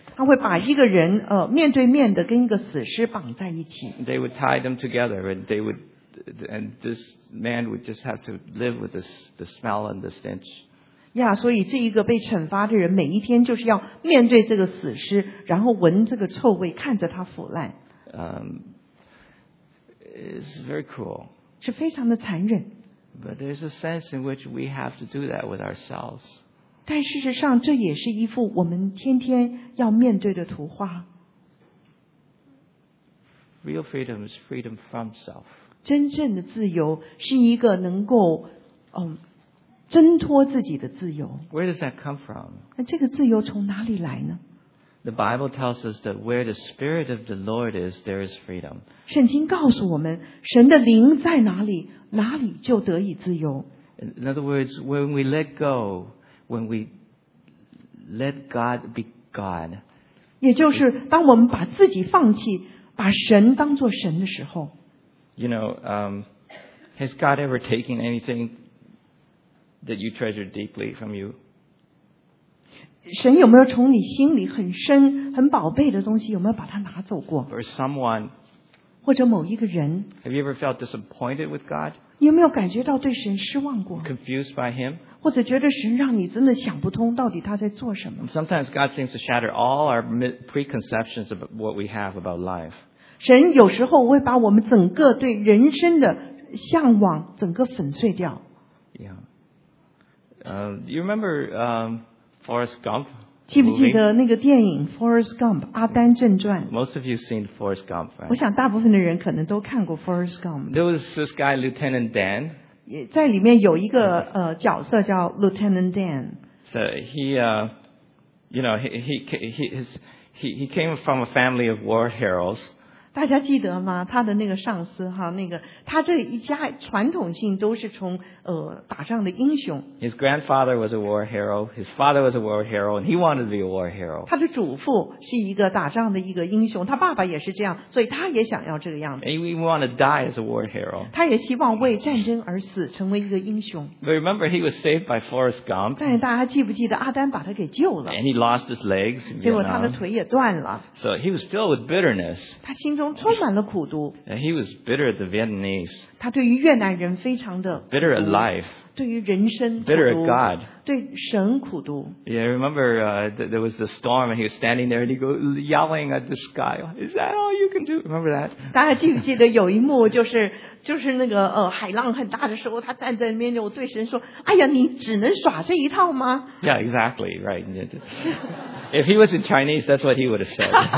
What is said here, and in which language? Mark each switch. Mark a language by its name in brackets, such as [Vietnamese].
[Chinese] 他会把一个人面对面的跟一个死尸绑在一起。 [English] They would tie them together, and they would, and this man would just have to live with the smell and the stench. [Chinese] Yeah, 所以这一个被惩罚的人每一天就是要面对这个死尸，然后闻这个臭味，看着他腐烂。 [English] It's very cruel. [Chinese] 是非常的残忍。 [English] But there's a sense in which we have to do that with ourselves. [Chinese] 但事实上，这也是一幅我们天天要面对的图画。 [English] Real freedom is freedom from self. [Chinese] 真正的自由是一个能够挣脱自己的自由。 [English] Where does that come from? [Chinese] 那这个自由从哪里来呢？ [English] The Bible tells us that where the Spirit of the Lord is, there is freedom. [Chinese] 圣经告诉我们，神的灵在哪里，哪里就得以自由。 [English] In other words, when we let go. When we let God be God, [Chinese] 也就是当我们把自己放弃，把神当作神的时候。 [English] You know, has God ever taken anything that you treasure deeply from you? [Chinese] 神有没有从你心里很深、很宝贝的东西，有没有把它拿走过 [English] ？Or someone? [Chinese] 或者某一个人 [English] ？Have you ever felt disappointed with God? [Chinese] 你有没有感觉到对神失望过 [English] ？Confused by Him? [Chinese] 或者觉得神让你真的想不通到底他在做什么。 [English] Sometimes God seems to shatter all our preconceptions of what we have about life. [Chinese] 神有时候会把我们整个对人生的向往整个粉碎掉。 [English] Yeah. You remember Forrest Gump? [Chinese] 记不记得那个电影 Forrest Gump, 阿丹正传 [English] ?Most of you have seen Forrest Gump, right? [Chinese] 我想大部分的人可能都看过 Forrest Gump. [English] There was this guy, Lieutenant Dan. [Chinese] 在里面有一个角色叫 Lieutenant Dan. [English] So he, you know, he came from a family of war heroes. [Chinese] 大家记得吗？他的那个上司哈，那个他这一家传统性都是从打仗的英雄。 [English] His grandfather was a war hero. His father was a war hero, and he wanted to be a war hero. [Chinese] 他的祖父是一个打仗的一个英雄，他爸爸也是这样，所以他也想要这个样子。 [English] He wanted to die as a war hero. [Chinese] 他也希望为战争而死，成为一个英雄。 [English] But remember, he was saved by Forrest Gump. [Chinese] 但是大家记不记得阿丹把他给救了 [English] ？And he lost his legs. [Chinese] 结果他的腿也断了。 [English] So he was filled with bitterness. [Chinese] 他心中充满了苦毒。 [English] And he was bitter at the Vietnamese. [Chinese] 他对于越南人非常的 [English] bitter at life. [Chinese] 对于人生苦毒。 [English] Bitter at God. [Chinese] 对神苦毒。 [English] Yeah, remember there was the storm and he was standing there and he goes yelling at the sky. Is that all you can do? Remember that? [Chinese] 大家记不记得有一幕就是那个海浪很大的时候，他站在那边就对神说：“哎呀，你只能耍这一套吗 [English] ？”Yeah, exactly, right. If he was in Chinese, that's what he would have said.